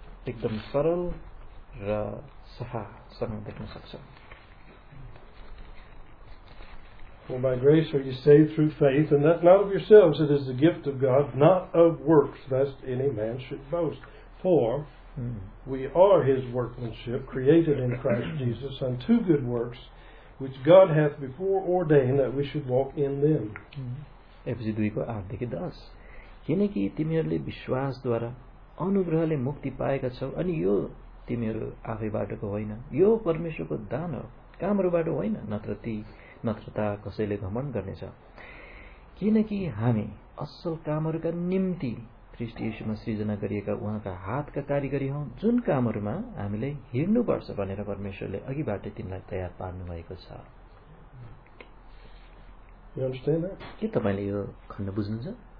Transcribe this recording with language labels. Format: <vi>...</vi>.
<ne>एकदम सरल र सफा सँग देख्न सक्छ</ne> <en>For by grace are you saved through faith, and that not of yourselves, it is the gift of God, not of works, lest any man should boast. For we are his workmanship, created in Christ Jesus, unto good works, which God hath before ordained that we should walk in them.</en> <ne>Ephesians 2 को 8 देखि 10 किनकि तिमीहरूले विश्वासद्वारा अनुग्रहले मुक्ति पाएका छौ अनि यो तिमीहरू आफैबाटको होइन यो परमेश्वरको दान हो कामहरूबाट होइन नत्र ती नत्रता कसैले घमण्ड गर्नेछ किनकि हामी असल कामहरूका निम्ति ख्रिस्ट येशूमा सृजना गरिएका उहाँका हातका कारिगरी हौ जुन कामहरूमा हामीले हिँड्नुपर्छ भनेर परमेश्वरले अघिबाट तिमीलाई तयार पार्नुभएको छ के तपाईँले यो खण्ड बुझ्नुहुन्छ</ne>